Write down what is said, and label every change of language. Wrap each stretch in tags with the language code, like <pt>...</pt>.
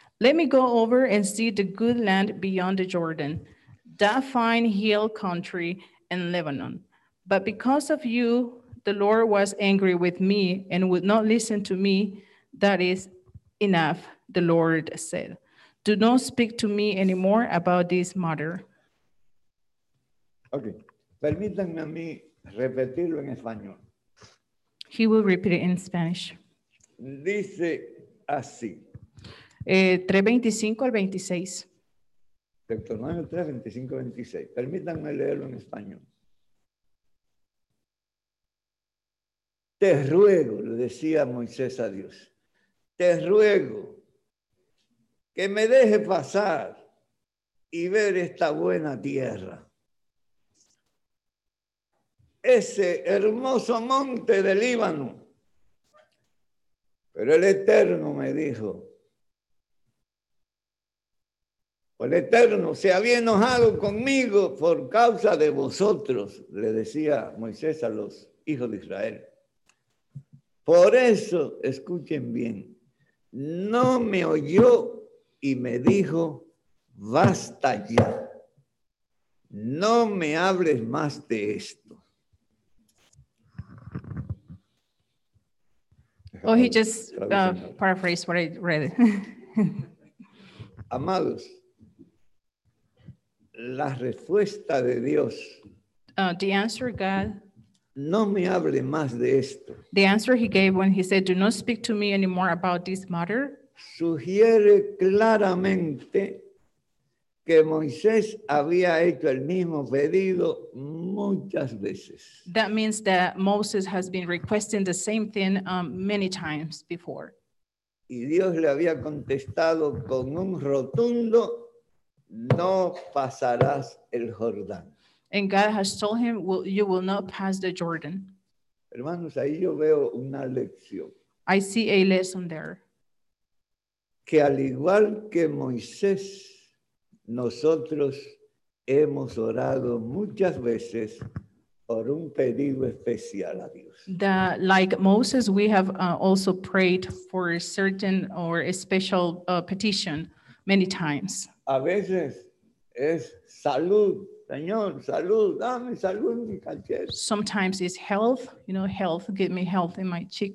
<en>Let me go over and see the good land beyond the Jordan, that fine hill country in Lebanon. But because of you, the Lord was angry with me and would not listen to me. That is enough. The Lord said, do not speak to me anymore about this matter. Okay.</en> <es>Permítanme a mí repetirlo en español.</es> <en>He will repeat it in Spanish.</en> <es>Dice así. 325 al 26. Deuteronomio 3, 25, 26. Permítanme leerlo en español. Te ruego, le decía Moisés a Dios, te ruego que me deje pasar y ver esta buena tierra. Ese hermoso monte del Líbano. Pero el Eterno me dijo, o el Eterno se había enojado conmigo por causa de vosotros, le decía Moisés a los hijos de Israel. Por eso, escuchen bien, no me oyó y me dijo, basta ya, no me hables más de esto.</es> <en>Oh, he just paraphrased what I read.</en> <es>Amados, la respuesta de Dios.</es> <en>The answer God.</en> <es>No me hable más de esto.</es> <en>The answer he gave when he said, "Do not speak to me anymore about this matter."</en> <es>Sugiere claramente que Moisés había hecho el mismo pedido muchas veces.</es> <en>That means that Moses has been requesting the same thing many times before.</en> <es>Y Dios le había contestado con un rotundo, no pasarás el Jordán.</es> <en>And God has told him, well, you will not pass the Jordan.</en> <es>Hermanos, ahí yo veo una lección.</es> <en>I see a lesson there.</en> <es>Que al igual que Moisés, nosotros hemos orado muchas veces por un pedido especial a Dios.</es> <en>That, like Moses, we have also prayed for a certain or a special petition many times.</en> <es>A veces es salud. Señor, salud, dame salud en mi cachete.</es> <en>Sometimes it's health, you know, health, give me health in my cheek.</en>